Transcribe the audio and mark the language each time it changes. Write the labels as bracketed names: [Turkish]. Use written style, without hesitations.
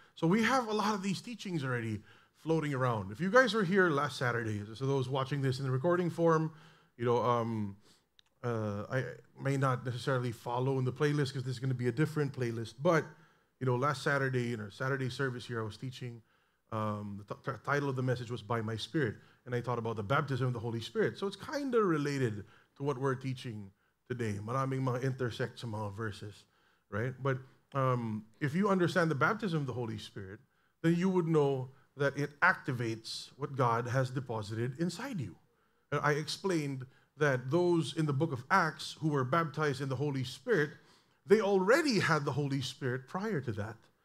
[English] So we have a lot of these teachings already floating around. If you guys were here last Saturday, so those watching this in the recording form, you know, I may not necessarily follow in the playlist because this is going to be a different playlist, but, you know, last Saturday, in our Saturday service here, I was teaching, the title of the message was By My Spirit, and I taught about the baptism of the Holy Spirit. So it's kind of related to what we're teaching today. [Filipino] Maraming mga intersect sa mga verses, right? [English] But if you understand the baptism of the Holy Spirit, then you would know that it activates what God has deposited inside you. And I explained that those in the book of Acts who were baptized in the Holy Spirit, they already had the Holy Spirit prior to that.